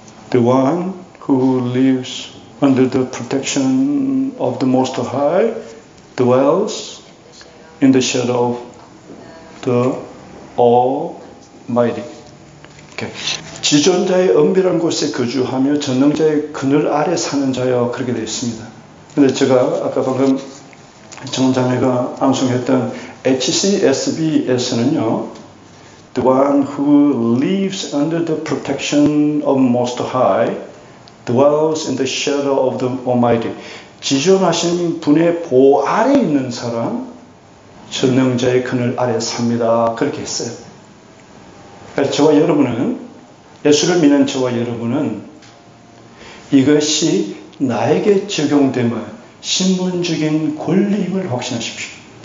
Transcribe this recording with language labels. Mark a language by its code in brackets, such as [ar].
[en] The one who lives under the protection of the Most High dwells in the shadow of the Almighty. Okay. [ko] 지존자의 은밀한 곳에 거주하며 전능자의 그늘 아래 사는 자여 그렇게 되어 있습니다. 근데 제가 아까 방금 정장애가 암송했던 HCSB에서는요, [en] The one who lives under the protection of Most High dwells in the shadow of the Almighty. [ko] 지존하신 분의 보호 아래 있는 사람, 전능자의 그늘 아래 삽니다. 그렇게 했어요. 그러니까 저와 여러분은, 예수를 믿는 저와 여러분은 이것이 나에게 적용되면 신분적인 권리임을 확신하십시오.